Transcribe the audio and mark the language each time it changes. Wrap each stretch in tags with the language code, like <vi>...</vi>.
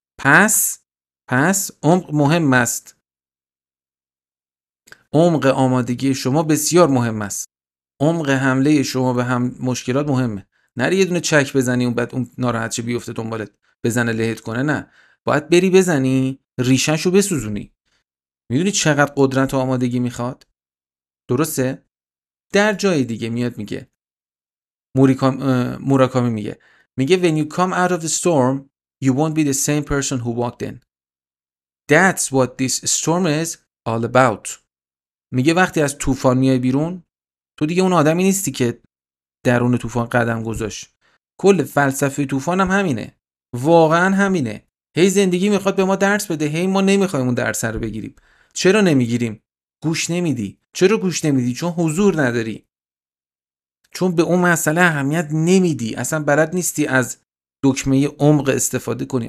<fa>پس عمق مهم است، عمق آمادگی شما بسیار مهم است، عمق حمله شما به هم مشکلات مهمه. نری یه دونه چک بزنی اون بعد اون ناراحت شه بیفته دنبالت بزنه لهت کنه، نه، باید بری بزنی ریشه‌شو بسوزونی. میدونی چقدر قدرت و آمادگی میخواد؟ درسته؟ در جای دیگه میاد میگه، موراکامی میگه، میگه When you come out of the storm you won't be the same person who walked in.</fa> <en>That's what this storm is all about.</en> <fa>میگه وقتی از طوفان میای بیرون، تو دیگه اون آدمی نیستی که درون طوفان قدم گذاشت. کل فلسفه طوفان هم همینه، واقعا همینه. هی زندگی میخواد به ما درس بده، هی ما نمیخوایم اون درس رو بگیریم. چرا نمیگیریم؟ گوش نمیدی. چرا گوش نمیدی؟ چون حضور نداری، چون به اون مسئله اهمیت نمیدی، اصلا بلد نیستی از دکمه عمق استفاده کنی.</fa>